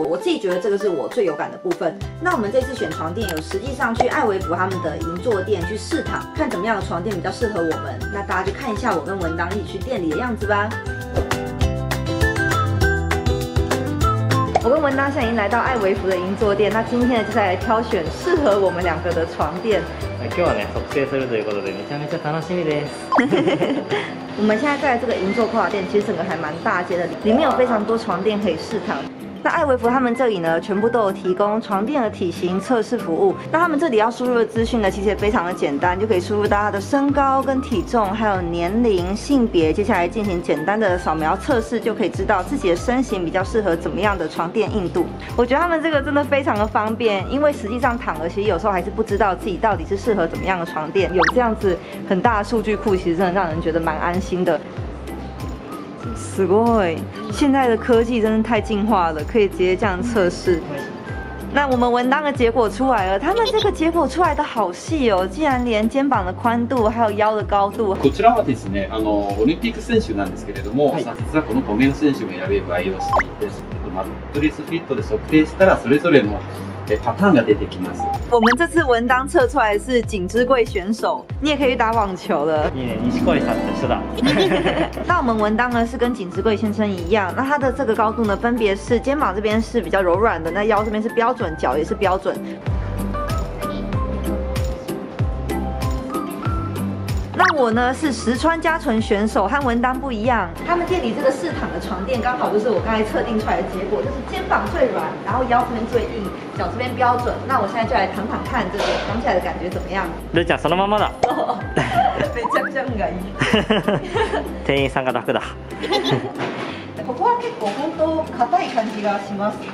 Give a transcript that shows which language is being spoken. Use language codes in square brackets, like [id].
[zh] 我自己觉得这个是我最有感的部分。那我们这次选床垫有实际上去艾维福他们的银座店去试躺，看怎么样的床垫比较适合我们。那大家就看一下我跟文当一起去店里的样子吧。我跟文当现在已经来到艾维福的银座店，那今天就是来挑选适合我们两个的床垫。 [ja] 今日はね、測定するということで、めちゃめちゃ楽しみです。 [zh] 我们现在在这个银座跨店，其实整个还蛮大间的，里面有非常多床垫可以试躺。那艾维福他们这里呢，全部都有提供床垫的体型测试服务。那他们这里要输入的资讯呢，其实也非常的简单，就可以输入大家的身高跟体重，还有年龄、性别，接下来进行简单的扫描测试，就可以知道自己的身形比较适合怎么样的床垫硬度。我觉得他们这个真的非常的方便，因为实际上躺了，其实有时候还是不知道自己到底是适合怎么样的床垫。有这样子很大的数据库，其实真的让人觉得蛮安心的。 [ja] すごい， [zh] 现在的科技真的太进化了，可以直接这样测试。那我们文当的结果出来了，他们这个结果出来的好细哦，竟然连肩膀的宽度还有腰的高度。 [ja] こちらはですね、オリンピック選手なんですけれども、実はこの5名の選手も選べる場合をしていて、マットレスフィットで測定したらそれぞれのパターンが出てきます。 [zh] 我们这次文当测出来是景之贵选手，你也可以打网球了。 [ja] 錦之貴さんでした。 [zh] 那我们文当呢是跟景之贵先生一样，那他的这个高度呢分别是肩膀这边是比较柔软的，那腰这边是标准，脚也是标准。我呢是石川佳纯选手，和文当不一样。他们店里这个试躺的床垫刚好就是我刚才测定出来的结果，就是肩膀最软，然后腰这边最硬，脚这边标准。那我现在就来躺躺看，这个躺起来的感觉怎么样？ [ja] ルちゃんそのままだ。めちゃくちゃ運がいい。店員さんが楽だ。ここは結構本当硬い感じがします。